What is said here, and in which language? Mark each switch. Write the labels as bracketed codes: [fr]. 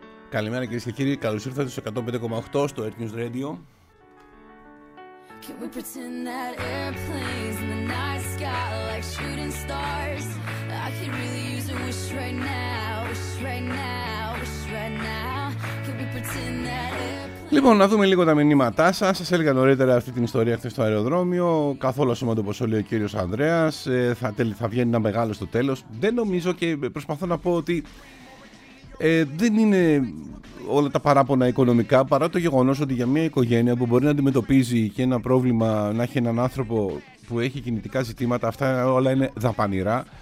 [el] Καλημέρα κυρίες και κύριοι, καλώς ήρθατε στο 105,8 στο Earth News Radio. [en] Can we pretend that airplanes in the night sky like shooting stars? I could really use a wish right now, wish right now, wish right now. Can we pretend that airplanes... [el] Λοιπόν, να δούμε λίγο τα μηνύματά σας. Σας έλεγα νωρίτερα αυτή την ιστορία χθες στο αεροδρόμιο. Καθόλου ασήμαντο όπως λέει ο κύριος Ανδρέας. Θα βγαίνει ένα μεγάλο στο τέλος. Δεν νομίζω και προσπαθώ να πω ότι δεν είναι όλα τα παράπονα οικονομικά, παρά το γεγονός ότι για μια οικογένεια που μπορεί να αντιμετωπίζει και ένα πρόβλημα, να έχει έναν άνθρωπο που έχει κινητικά ζητήματα, αυτά όλα είναι δαπανηρά.